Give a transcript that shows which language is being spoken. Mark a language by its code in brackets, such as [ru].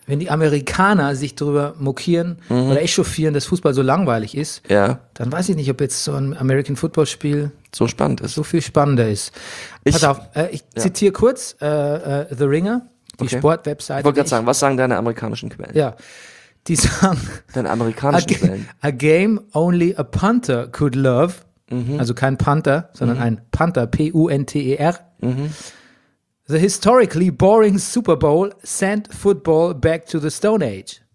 [de] Wenn die Amerikaner sich drüber mokieren oder echauffieren, dass Fußball so langweilig ist, dann weiß ich nicht, ob jetzt so ein American Football Spiel so spannend ist. So viel spannender ist. Pass auf, ich zitiere kurz The Ringer, die Sportwebsite. Ich wollte gerade sagen, was sagen deine amerikanischen Quellen? Ja. Die sagen, deine amerikanischen Quellen. [en] A game only a punter could love. [de] Mhm. Also kein Panther, sondern ein Panther, P-U-N-T-E-R. Mhm. [en] The historically boring Super Bowl sent football back to the Stone Age.